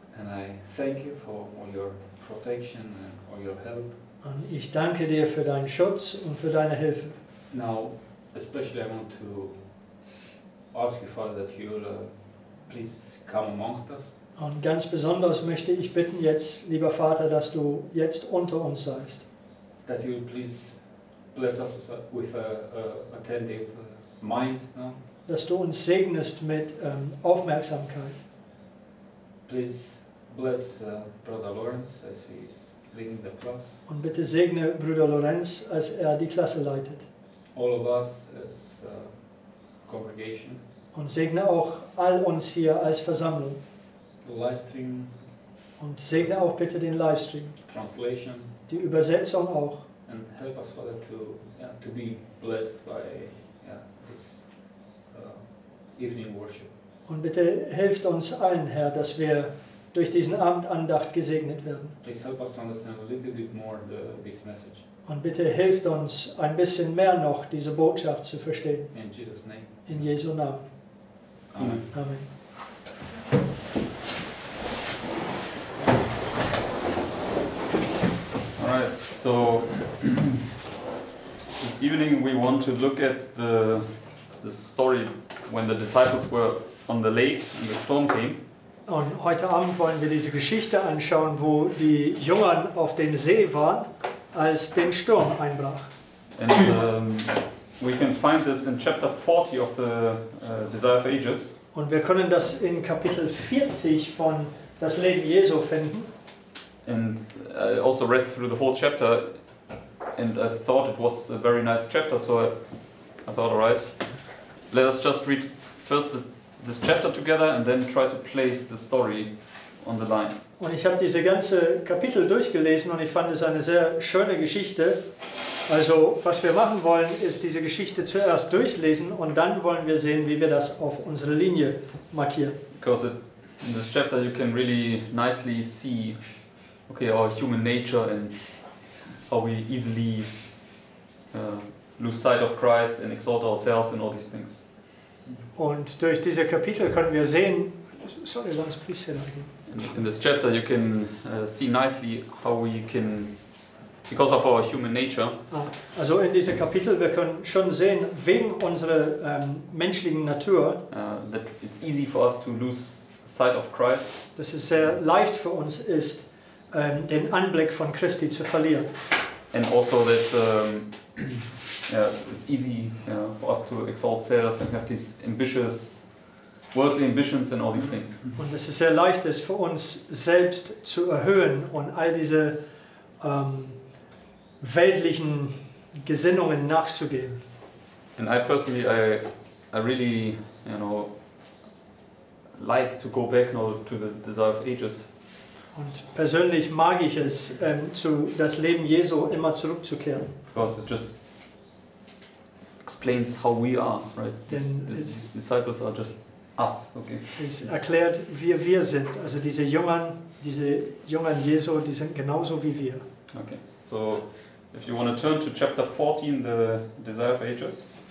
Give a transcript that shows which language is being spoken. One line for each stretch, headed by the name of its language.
English: And I thank you for all your protection and all your help.
German: Und ich danke dir für deinen Schutz und für deine Hilfe.
English: Now, especially I want to ask you, Father, that you'll please come amongst us.
German: Und ganz besonders möchte ich bitten jetzt, lieber Vater, dass du jetzt unter uns seist.
English: That you'll please bless us with an attentive mind. No?
German: Dass du uns segnest mit Aufmerksamkeit.
English: Please bless Brother Lawrence as he is leading the class.
German: Und bitte segne Bruder Lorenz, als die Klasse leitet.
English: All of us as congregation.
German: Und segne auch all uns hier als Versammlung.
English: The live stream.
German: Und segne auch bitte den Livestream.
English: Translation.
German: Die Übersetzung auch.
English: And help us, Father, to be blessed by this evening worship.
German: Und bitte hilft uns allen, Herr, dass wir durch diesen Abendandacht gesegnet werden.
English: Please help us to understand a little bit more this message.
German: Und bitte hilft uns, ein bisschen mehr noch diese Botschaft zu verstehen.
English: In Jesus' name.
German: In Jesu Namen.
English: Amen.
German: Amen.
English: Alright, so this evening we want to look at the story when the disciples were on the lake and the storm came.
German: Und heute Abend wollen wir diese Geschichte anschauen, wo die Jungen auf dem See waren, als den Sturm einbrach.
English: And we can find this in chapter 40 of the Desire for Ages.
German: Und wir können das in Kapitel 40 von Das Leben Jesu finden.
English: And I also read through the whole chapter and I thought it was a very nice chapter, so I thought, all right, let us just read first this chapter together and then try to place the story on the line.
German: Und ich habe diese ganze Kapitel durchgelesen und ich fand es eine sehr schöne Geschichte. Also, was wir machen wollen, ist diese Geschichte zuerst durchlesen und dann wollen wir sehen, wie wir das auf unsere Linie markieren.
English: Because in this chapter you can really nicely see, okay, our human nature and how we easily lose sight of Christ and exalt ourselves and all these things.
German: Und durch diese Kapitel können wir sehen,
English: sorry, Lance, please sit down. In this chapter you can see nicely how we can, because of our human nature.
German: Also in diesem Kapitel, wir können schon sehen, wegen unserer menschlichen Natur,
English: that it's easy for us to lose sight of Christ.
German: Dass es sehr leicht für uns ist, den Anblick von Christi zu verlieren.
English: And also that it's easy for us to exalt self and have these ambitious worldly ambitions and all these things.
German: Und dass es sehr leicht ist, für uns selbst zu erhöhen und all diese weltlichen Gesinnungen nachzugehen.
English: And I personally, I really, you know, like to go back now to the Desire of Ages.
German: Und persönlich mag ich es, zu das Leben Jesu immer zurückzukehren.
English: Because it just explains how we are, right? These disciples are just us, okay?
German: Es erklärt, wie wir sind. Also diese Jungen Jesu, die sind genauso wie wir.
English: Okay, so if you want to turn to chapter 14, the Desire of Ages.